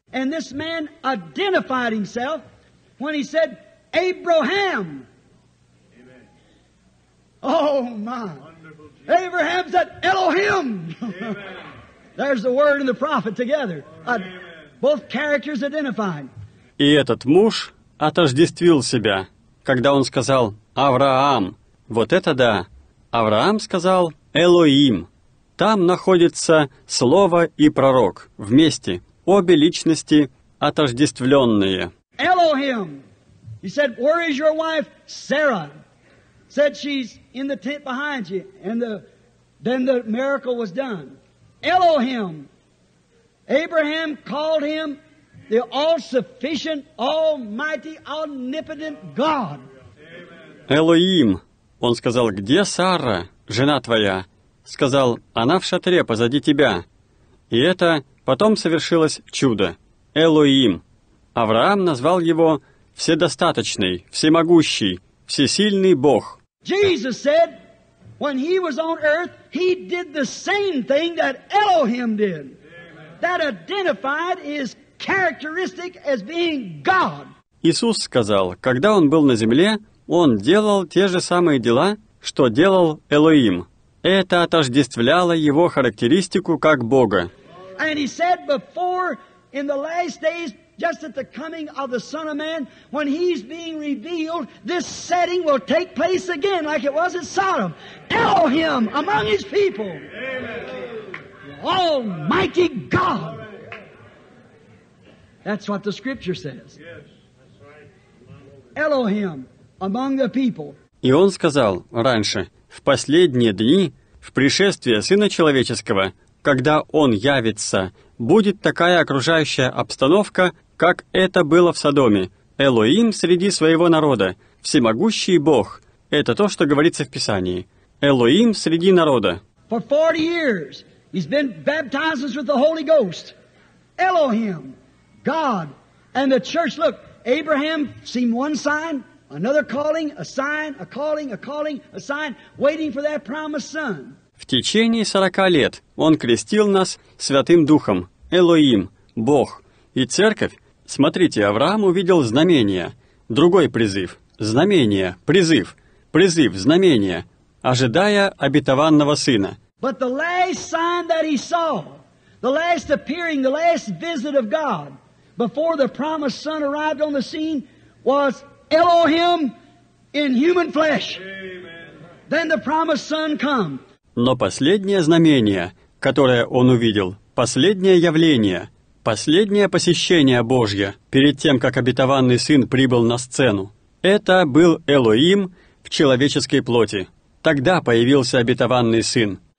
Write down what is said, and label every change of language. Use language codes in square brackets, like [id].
[en] And this man identified himself when he said, Abraham. Oh, my. Abraham said, Elohim. There's the word and the prophet together. Both characters identified. [ru] И этот муж отождествил себя, когда он сказал «Авраам». Вот это да. Авраам сказал «Элоим». Там находится слово и пророк вместе. Обе личности отождествленные. [en] Elohim. He said, where is your wife, Sarah? Said she's in the tent behind you, and then the miracle was done. Elohim, Abraham called him the all-sufficient, almighty, omnipotent God. [ru] Элоим, он сказал, где Сара, жена твоя? Сказал, она в шатре позади тебя. И это потом совершилось чудо. Элоим, Авраам назвал его вседостаточный, всемогущий, всесильный Бог. [en] Jesus said, when he was on earth, he did the same thing that Elohim did. That identified his characteristic as being God. [ru] Иисус сказал, когда он был на земле, он делал те же самые дела, что делал Элоим. Это отождествляло его характеристику как Бога. [en] And he said before, in the last days, just at the coming of the Son of Man, when He's being revealed, this setting will take place again like it was in Sodom. Elohim among His people. Amen. Almighty God. That's what the Scripture says. Yes, that's right. Elohim among the people. [ru] И Он сказал раньше, в последние дни, в пришествие Сына Человеческого, когда Он явится, будет такая окружающая обстановка, как это было в Содоме. Элоим среди своего народа, всемогущий Бог, Это то, что говорится в Писании. Элоим среди народа. [en] For 40 years he's been baptized with the Holy Ghost. Elohim, God, and the church. Look, Abraham seen one sign, another calling, a sign, a calling, a sign, waiting for that promised son. [ru] В течение 40 лет он крестил нас Святым Духом, Элоим, Бог, и церковь. Смотрите, Авраам увидел знамение, другой призыв, знамение, призыв, призыв, знамение, ожидая обетованного сына. [en] But the last sign that he saw, the last appearing, the last visit of God before the promised son arrived on the scene was Elohim in human flesh. Amen. Then the promised son come. [ru] Но последнее знамение, которое он увидел, последнее явление, последнее посещение Божье перед тем, как обетованный сын прибыл на сцену, это был Элоим в человеческой плоти. Тогда появился обетованный сын.